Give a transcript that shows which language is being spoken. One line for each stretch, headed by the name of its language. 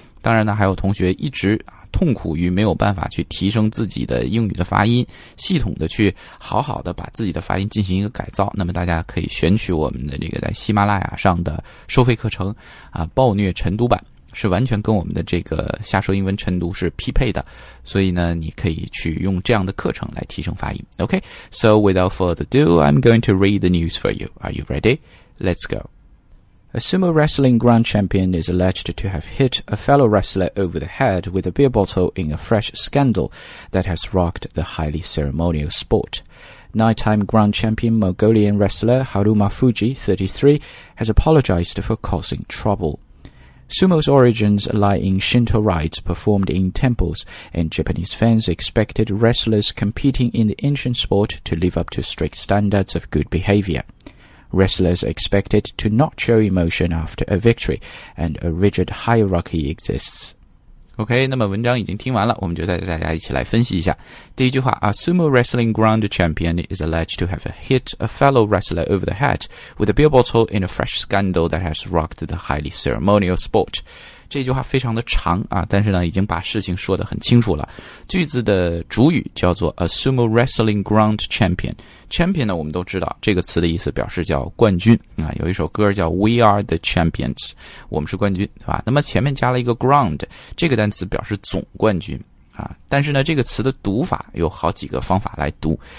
Chinese: 当然呢，还有同学一直痛苦于没有办法去提升自己的英语的发音，系统的去好好的把自己的发音进行一个改造，那么大家可以选取我们的这个在喜马拉雅上的收费课程啊，暴虐晨读版，是完全跟我们的这个瞎说英文晨读是匹配的，所以呢，你可以去用这样的课程来提升发音。
English: OK, so without further ado, I'm going to read the news for you. Are you ready? Let's go. A sumo wrestling grand champion is alleged to have hit a fellow wrestler over the head with a beer bottle in a fresh scandal that has rocked the highly ceremonial sport. Nighttime grand champion Mongolian wrestler Haruma Fuji, 33, has apologized for causing trouble. Sumo's origins lie in Shinto rites performed in temples, and Japanese fans expected wrestlers competing in the ancient sport to live up to strict standards of good behavior. Wrestlers expected to not show emotion after a victory, and a rigid hierarchy exists.
Chinese: OK, 那么文章已经听完了，我们就带着大家一起来分析一下。第一句话，
English: A sumo wrestling grand champion is alleged to have hit a fellow wrestler over the head with a beer bottle in a fresh scandal that has rocked the highly ceremonial sport.
Chinese: 这句话非常的长啊，但是呢已经把事情说得很清楚了。句子的主语叫做
English: A sumo wrestling grand champion.
Chinese: Champion 呢，我们都知道这个词的意思表示叫冠军啊，有一首歌叫
English: We are the champions,
Chinese: 我们是冠军，对吧？那么前面加了一个 grand, 这个单词表示总冠军啊，但是呢这个词的读法有好几个方法来读。